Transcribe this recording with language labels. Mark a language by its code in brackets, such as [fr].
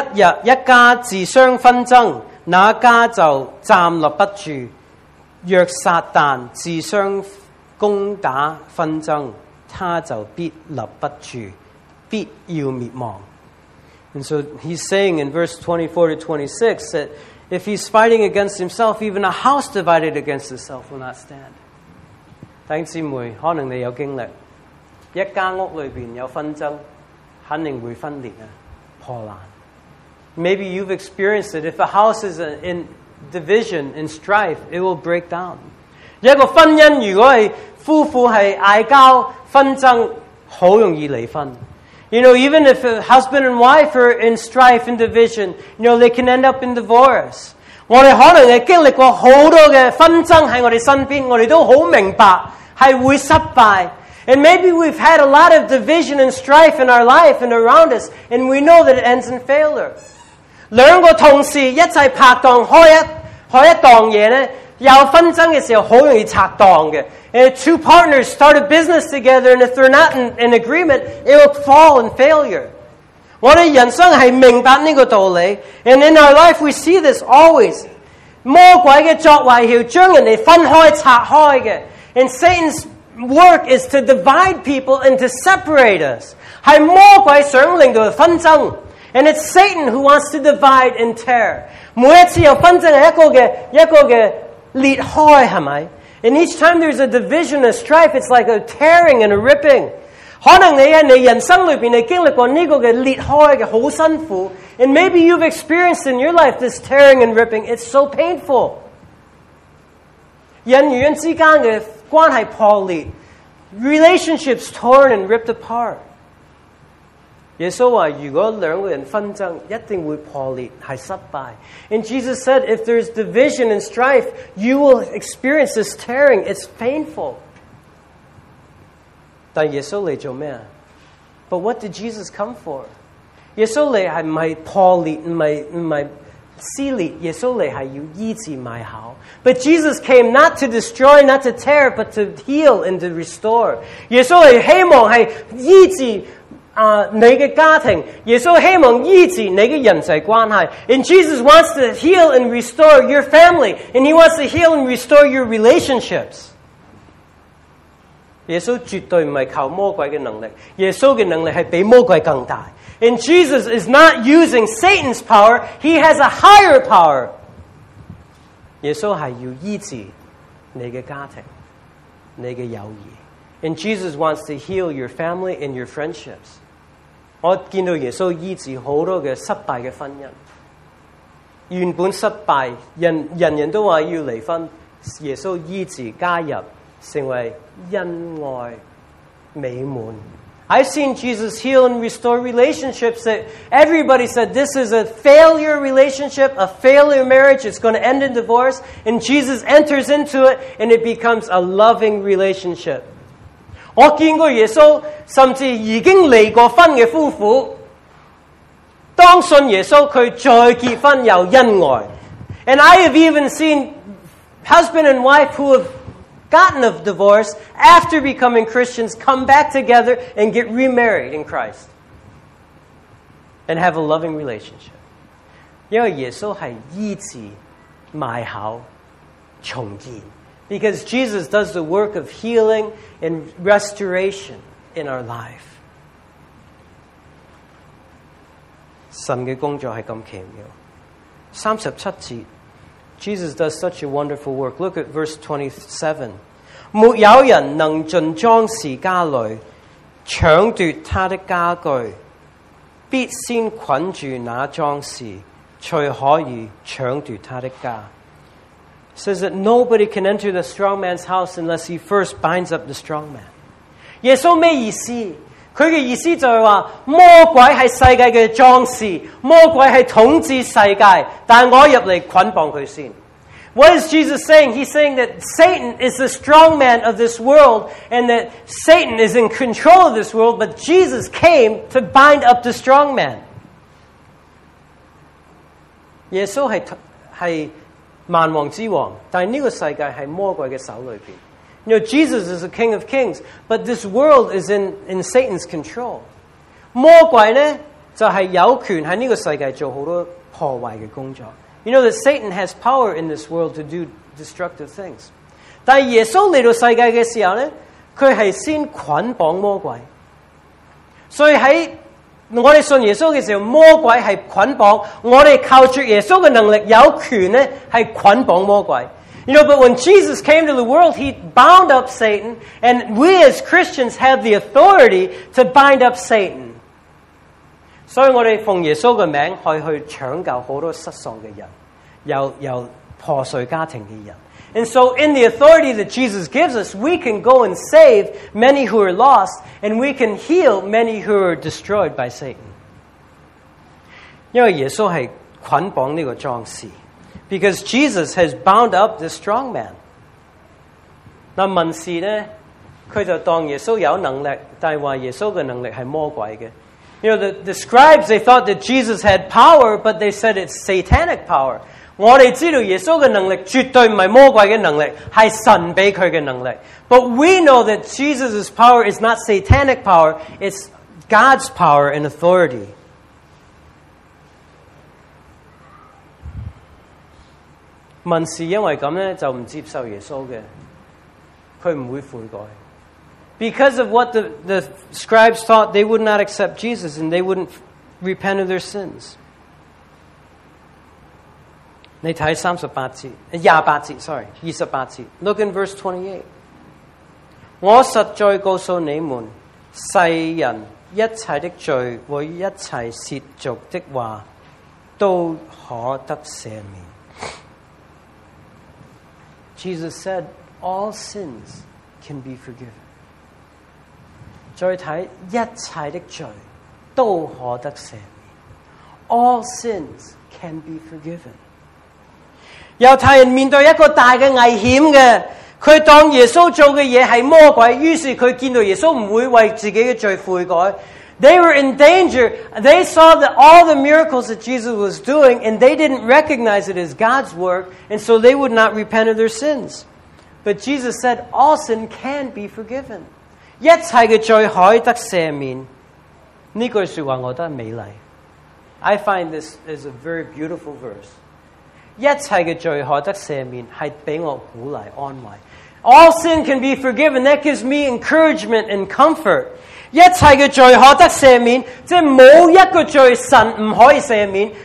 [yue] 若一家自相纷争，那家就站立不住；若撒旦自相攻打纷争，他就必立不住，必要灭亡。 [en] And so he's saying in verse 24 to 26 that. If he's fighting against himself, even a house divided against itself will not stand. [yue] 弟兄姊妹，可能你有经历，一间屋里边有纷争，肯定会分裂啊，破烂。 [en] Maybe you've experienced it. If a house is in division, in strife, it will break down. [yue] 一个婚姻如果系夫妇系嗌交纷争，好容易离婚。 [en] You know, even if a husband and wife are in strife and division, you know, they can end up in divorce. [yue] 我们可能经历过很多的纷争在我们身边，我们都很明白是会失败。 [en] And maybe we've had a lot of division and strife in our life and around us, and we know that it ends in failure. [yue] 两个同事一起拍档开一档嘢呢，有纷争的时候很容易拆档的。 [en] And if two partners start a business together, and if they're not in agreement, it will fall in failure. [yue] 我们人生是明白这个道理。 [en] And in our life, we see this always. [yue] 魔鬼的作为是将人分开拆开的。 [en] And Satan's work is to divide people and to separate us. [yue] 是魔鬼想令到纷争。 [en] And it's Satan who wants to divide and tear. [yue] 每一次有纷争是一个嘅裂开，系咪？ [en] And each time there's a division, a strife, it's like a tearing and a ripping. [yue] 可能你喺你人生里边，你经历过呢个嘅裂开嘅好辛苦。 [en] And maybe you've experienced in your life this tearing and ripping. It's so painful. [yue] 人与人之间嘅关系破裂， [en] relationships torn and ripped apart. [yue] 耶稣话，如果两个人纷争，一定会破裂，系失败。 [en] And Jesus said, if there's division and strife, you will experience this tearing. It's painful. [yue] 但耶稣嚟做咩啊？ [en] But what did Jesus come for? [yue] 耶稣来是不是破裂，不是撕裂，耶稣来是要医治埋口。 [en] But Jesus came not to destroy, not to tear, but to heal and to restore. [yue] 耶稣来希望是医治你的家庭，耶稣希望医治你的人际关系。 [en] And Jesus wants to heal and restore your family, and he wants to heal and restore your relationships. [yue] 耶稣绝对不是靠魔鬼的能力，耶稣的能力是比魔鬼更大。 [en] And Jesus is not using Satan's power. He has a higher power. [yue] 耶稣是要医治你的家庭，你的友谊。 [en] And Jesus wants to heal your family and your friendships. [yue] 我见到耶稣医治好多的失败的婚姻。原本失败，人人都说要离婚，耶稣医治加入，成为恩爱美满。 [en] I've seen Jesus heal and restore relationships that everybody said, this is a failure relationship, a failure marriage, it's going to end in divorce. And Jesus enters into it, and it becomes a loving relationship. [yue] 我见过耶稣，甚至已经离过婚的夫妇，当信耶稣，他再结婚又恩爱。 [en] And I have even seen husband and wife who havegotten a divorce after becoming Christians, come back together and get remarried in Christ and have a loving relationship. [yue] 因为耶稣是医治埋口重建， [en] because Jesus does the work of healing and restoration in our life. [yue] 神的工作是这么奇妙。37节， [en] Jesus does such a wonderful work. Look at verse 27. [yue] 没有人能进庄士家里抢夺他的家具，必先捆住那庄士，才可以抢夺他的家。 [en] It says that nobody can enter the strong man's house unless he first binds up the strong man. [yue] 耶稣什么意思？他的意思就是说，魔鬼是世界的庄士，魔鬼是统治世界，但我入来捆绑他先。 [en] What is Jesus saying? He's saying that Satan is the strong man of this world and that Satan is in control of this world, but Jesus came to bind up the strong man. [yue] 耶稣是万王之王，但这个世界是魔鬼的手里面。 [en] You know, Jesus is the King of Kings, but this world is in Satan's control. [yue] 魔鬼呢，就是有权在这个世界做很多破坏的工作。 [en] You know that Satan has power in this world to do destructive things. [yue] 但耶稣来到世界的时候呢，他是先捆绑魔鬼。所以在我们信耶稣的时候，魔鬼是捆绑，我们靠着耶稣的能力有权呢，是捆绑魔鬼。 [en] You know, but when Jesus came to the world, he bound up Satan, and we as Christians have the authority to bind up Satan. [yue] 所以我们奉耶稣的名字去抢救很多失丧的人， 有破碎家庭的人。 [en] And so in the authority that Jesus gives us, we can go and save many who are lost, and we can heal many who are destroyed by Satan. [yue] 因为耶稣是捆绑这个壮士， [en] because Jesus has bound up the strong man. [yue] 那文士呢，他就当耶稣有能力，但说耶稣的能力是魔鬼的。 [en] You know, the scribes, they thought that Jesus had power, but they said it's satanic power. [yue] 我们知道耶稣的能力绝对不是魔鬼的能力，是神给他的能力。 [en] But we know that Jesus' power is not satanic power, it's God's power and authority. [yue] 文士因为这样呢，就不接受耶稣的，他不会悔改。 [en] Because of what the scribes thought, they would not accept Jesus and they wouldn't repent of their sins. [yue] 你睇28节。 [en] Look in verse 28。 [yue] 我实在告诉你们，世人一切的罪和一切亵渎的话，都可得赦免。 [en] Jesus said, all sins can be forgiven. [yue] 再睇一切的罪都可得赦免。 [en] All sins can be forgiven. [yue] 犹太人面对一个大的危险的，他当耶稣做的事是魔鬼，于是他见到耶稣不会为自己的罪悔改。 [en] They were in danger. They saw that all the miracles that Jesus was doing, and they didn't recognize it as God's work, and so they would not repent of their sins. But Jesus said, all sin can be forgiven. [yue] 一切的罪可以得赦免。这句说话我觉得美丽。 [en] I find this is a very beautiful verse. [yue] 一切的罪可得赦免是给我鼓励安慰。 [en] All sin can be forgiven. That gives me encouragement and comfort. [yue] 一切的罪可得赦免，即系冇一个罪神唔可以赦免。